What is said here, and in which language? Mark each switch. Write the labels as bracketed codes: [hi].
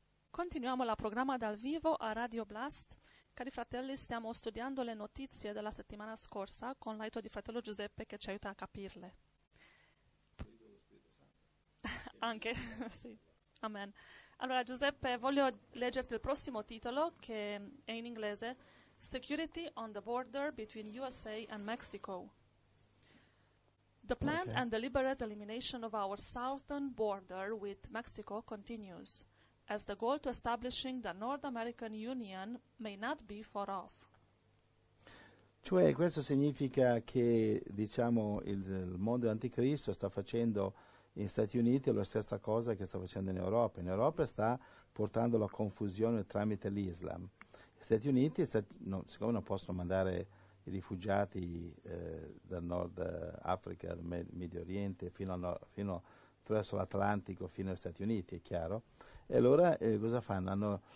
[it] continuiamo la programma dal vivo a Radio Blast. Cari fratelli, stiamo studiando le notizie della settimana scorsa con l'aiuto di fratello Giuseppe che ci aiuta a capirle. Anche, sì. Amen. Allora Giuseppe, voglio leggerti il prossimo titolo che è in inglese. [en] Security on the border between USA and Mexico. The planned and deliberate elimination of our southern border with Mexico continues, as the goal to establishing the North American Union may not be far off. [it] Cioè, questo significa che, diciamo, il mondo anticristo sta facendo in Stati Uniti la stessa cosa che sta facendo in Europa. In Europa sta portando la confusione tramite l'Islam. Gli Stati Uniti, siccome non possono mandare i rifugiati dal Nord Africa, dal Medio Oriente, fino attraverso l'Atlantico, fino agli Stati Uniti, è chiaro, e allora cosa fanno?